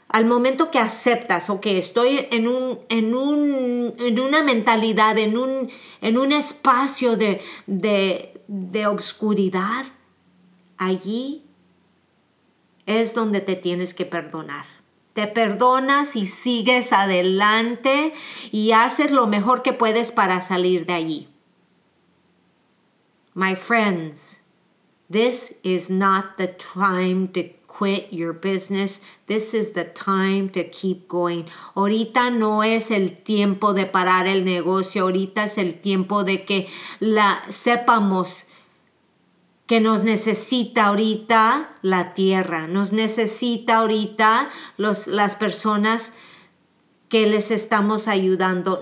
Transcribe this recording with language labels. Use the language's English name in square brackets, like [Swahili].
[Spanish] Al momento que aceptas, ok, estoy en una mentalidad, en un espacio de oscuridad, allí es donde te tienes que perdonar. Te perdonas y sigues adelante y haces lo mejor que puedes para salir de allí. [English] My friends, this is not the time to quit your business. This is the time to keep going. [Spanish] Ahorita no es el tiempo de parar el negocio. Ahorita es el tiempo de que la sepamos que nos necesita ahorita la tierra. Nos necesita ahorita las personas que les estamos ayudando.